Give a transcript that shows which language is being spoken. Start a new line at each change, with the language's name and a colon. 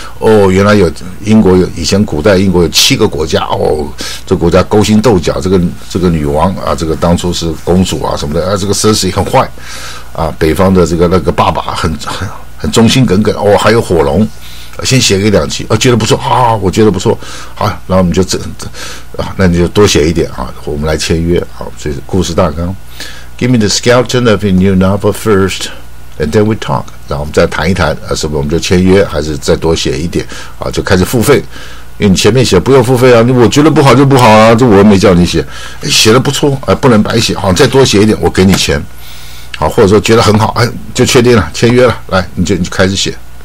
Chinese: 哦，原来有英国有以前古代英国有七个国家哦，这国家勾心斗角，这个女王啊，这个当初是公主啊什么的啊，这个奢侈也很坏啊，北方的这个爸爸很忠心耿耿哦，还有火龙，先写个一两集，觉得不错啊，我觉得不错，好，然后我们就那你就多写一点啊，我们来签约啊，这故事大纲。
English: Give me the skeleton of your new novel first, and then we talk.
Chinese: 然后我们再谈一谈，是不是我们就签约，还是再多写一点啊？就开始付费，因为你前面写不用付费啊。我觉得不好就不好啊，这我没叫你写，哎、写的不错，哎，不能白写，好，再多写一点，我给你钱，好，或者说觉得很好，哎，就确定了，签约了，来，你就开始写。